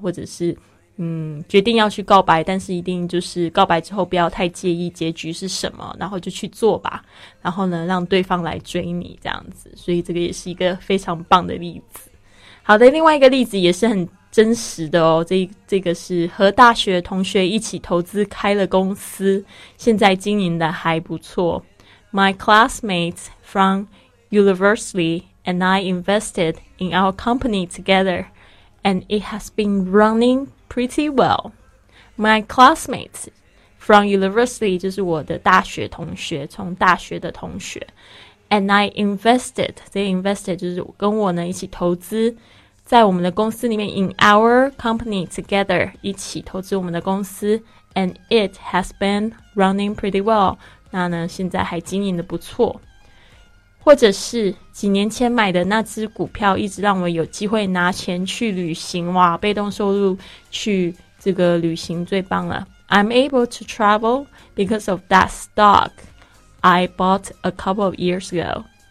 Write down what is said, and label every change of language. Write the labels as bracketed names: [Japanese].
[Chinese] 或者是决定要去告白，但是一定就是告白之后不要太介意结局是什么，然后就去做吧，然后呢让对方来追你这样子。所以这个也是一个非常棒的例子。好的，另外一个例子也是很真实的哦。这个是和大学同学一起投资开了公司，现在经营的还不错。 [English] My classmates from university and I invested in our company together and it has been runningPretty well. My classmates from university, [Chinese] 就是我的大学同学，从大学的同学。 [English] And I invested, [Chinese] 这个 invested 就是跟我呢一起投资在我们的公司里面， [English] in our company together, [Chinese] 一起投资我们的公司。 [English] And it has been running pretty well, [Chinese] 那呢现在还经营的不错，或者是几年前买的那只股票一直让我有机会拿钱去旅行，哇，被动收入去这个旅行最棒了。 [English] I'm able to travel because of that stock I bought a couple of years ago.